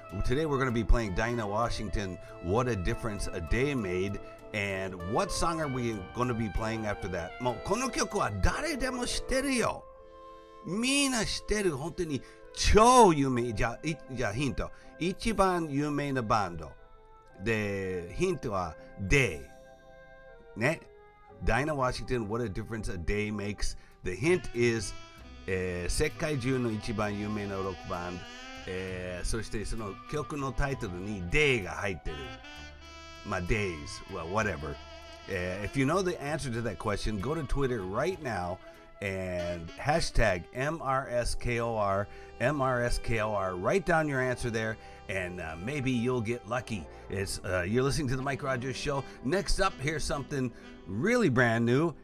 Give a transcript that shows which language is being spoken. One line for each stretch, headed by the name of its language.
English: Today we're going to be playing Dinah Washington, What a Difference a Day Made, and what song are we going to be playing after that?
Japanese: もうこの曲は誰でも知ってるよ。みんな知ってる、本当に超有名。じゃあヒント。一番有名なバンド。で、ヒントは、デイ。ね。
English: Dinah Washington, What a Difference a Day Makes. The hint is,
Japanese: 世界中の一番有名なロックバンド。そしてその曲のタイトルにデイが入ってる。
English: まあ、days. Well, whatever. If you know the answer to that question, go to Twitter right now and hashtag MRSKOR, MRSKOR. Write down your answer there. And maybe you'll get lucky. It's you're listening to the Mike Rogers Show. Next up, here's something really brand new.